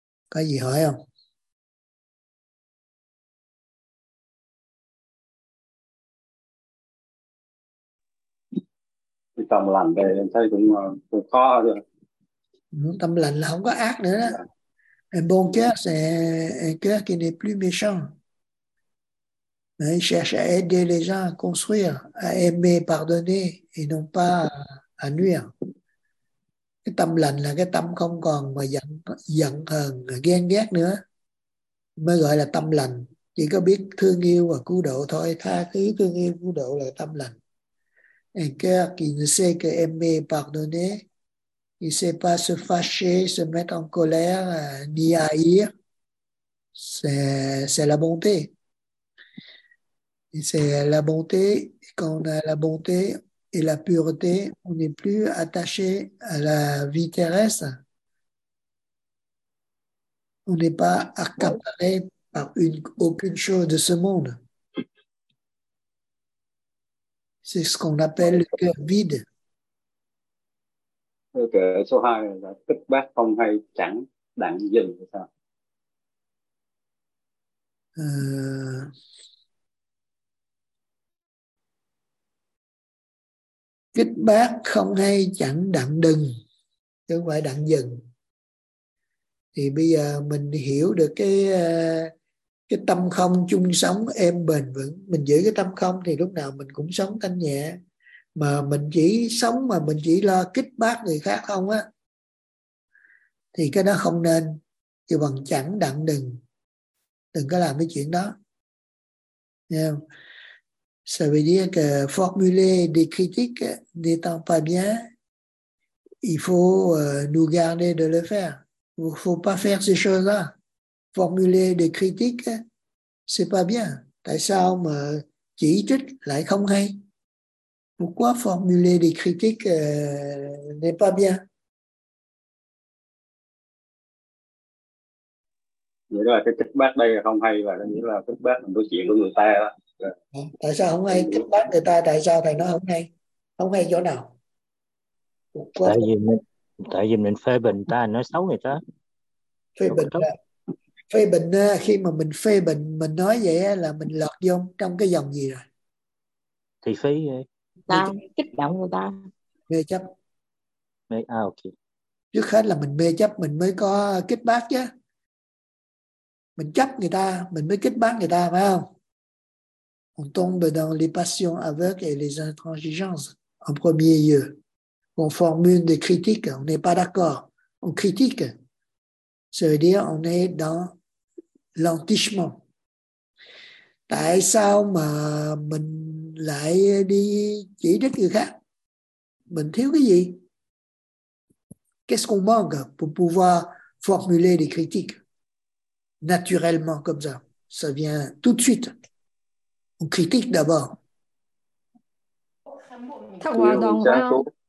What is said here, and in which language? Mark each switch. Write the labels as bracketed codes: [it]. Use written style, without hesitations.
[vi] Có gì hỏi không? Tâm lành thì em thấy cũng khó rồi. Tâm lành là không có ác nữa đó. [fr] Un bon cœur, c'est un cœur qui n'est plus méchant. Il cherche à aider les gens à construire, à aimer, pardonner et non pas à nuire. [vi] Cái tâm lành là cái tâm không còn mà giận hờn, ghen ghét nữa. Mới gọi là tâm lành. Chỉ có biết thương yêu và cứu độ thôi. Tha thứ, thương yêu, cứu độ là tâm lành. [fr] Un cœur qui ne sait que aimer, pardonner, qui ne sait pas se fâcher, se mettre en colère, ni haïr, c'est la bonté. Et c'est la bonté, quand on a la bonté et la pureté, on n'est plus attaché à la vie terrestre. On n'est pas accaparé par aucune chose de ce monde. C'est ce qu'on appelle le cœur vide. [vi] Ok, số 2 là kích bác không hay chẳng đặng dừng là sao? Kích bác không hay chẳng đặng dừng, chứ không phải đặng dừng. Thì bây giờ mình hiểu được cái tâm không chung sống êm bền vững. Mình giữ cái tâm không thì lúc nào mình cũng sống thanh nhẹ. Mà mình chỉ sống mà mình chỉ lo kích bác người khác không á, thì cái đó không nên. Chứ bằng chẳng đặng đừng, đừng có làm cái chuyện đó. [fr] Ça veut dire que formuler des critiques n'étant pas bien il faut nous garder de le faire. Il ne faut pas faire ces choses-là. Formuler des critiques, ce n'est pas bien. [vi] Tại sao mà chỉ trích lại không hay? [fr] Pourquoi formuler des critiques n'est pas bien? [vi] Nghĩa là cái trích bác đây là không hay, và nghĩa là trích bác là câu chuyện của người ta đó. Tại sao không hay? Trích bác người ta, tại sao thầy nói không hay? Không hay chỗ nào? [fr] Pourquoi? [vi] Tại vì mình phê bình ta, nói xấu người ta. Phê bình khi mà mình phê bình, mình nói vậy là mình lọt vô trong cái dòng gì rồi? Thì phí vậy. Ta kích động người ta. Mê chấp. Ok. Trước hết là mình mê chấp, mình mới có kích bác chứ. Mình chấp người ta, mình mới kích bác người ta, phải không? [fr] On tombe dans les passions aveugles et les intransigences en premier lieu. On formule des critiques, on n'est pas d'accord. On critique. Ça veut dire on est dans l'entichement. [vi] Tại sao mà mình lại đi chỉ trích người khác? Mình thiếu cái gì? [fr] Qu'est-ce qu'on manque pour pouvoir formuler des critiques? Naturellement, comme ça. Ça vient tout de suite. On critique d'abord. [vi] Thức hòa đồng không?